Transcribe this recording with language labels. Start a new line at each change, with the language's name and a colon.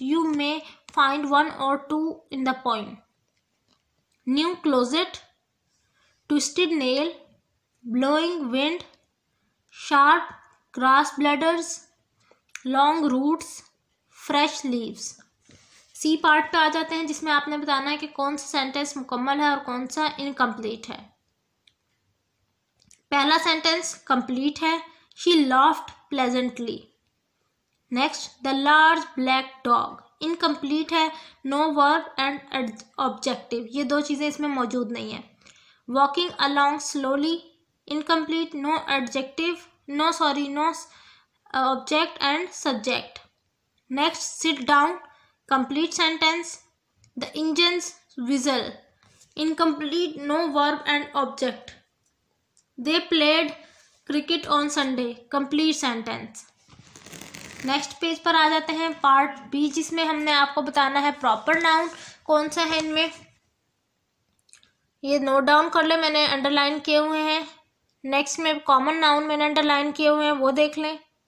English: You may find one or two in the poem. New closet, twisted nail, blowing wind, sharp grass bladders, long roots, fresh leaves.
Hindi: C part पे आ जाते हैं जिसमें आपने बताना है कि कौन सा सेंटेंस मुकम्मल है और कौन सा इनकम्प्लीट है. पहला सेंटेंस कंप्लीट है.
English: She laughed pleasantly.
Hindi: Next
English: the large black dog
Hindi: incomplete है.
English: no verb and objective
Hindi: ये दो चीज़ें इसमें मौजूद नहीं है.
English: Walking along slowly incomplete. No adjective no sorry no object and subject. Next sit down complete sentence. The engines whistle incomplete. No verb and object. They played cricket on Sunday. Complete sentence.
Hindi: Next page पर आ जाते हैं part B जिसमें हमने आपको बताना है proper noun कौन सा है इनमें. ये note down कर ले मैंने underline किए हुए हैं. Next में common noun मैंने underline किए हुए हैं वो देख लें.